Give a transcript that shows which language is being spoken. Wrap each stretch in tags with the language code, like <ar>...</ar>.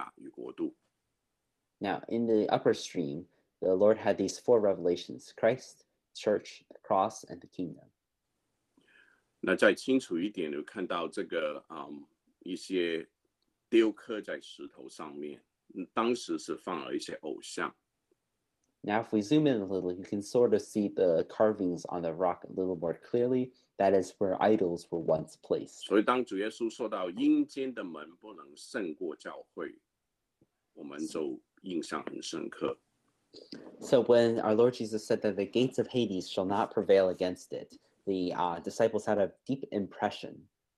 <zh>就在该撒利亚菲利比的境内，主耶稣就在上游有四个启示：基督、教会、十字架与国度。Now</zh> <en>in the upper stream, the Lord had these four revelations: Christ, Church, the Cross, and the Kingdom.</en> <zh>那再清楚一点，就看到这个一些雕刻在石头上面，当时是放了一些偶像。Now,</zh> <en>if we zoom in a little, you can sort of see the carvings on the rock a little more clearly. That is where idols were once placed.</en> <zh>所以，当主耶稣说到阴间的门不能胜过教会，我们就印象很深刻。</zh> <en>So when our Lord Jesus said that the gates of Hades shall not prevail against it, the disciples had a deep impression.</en>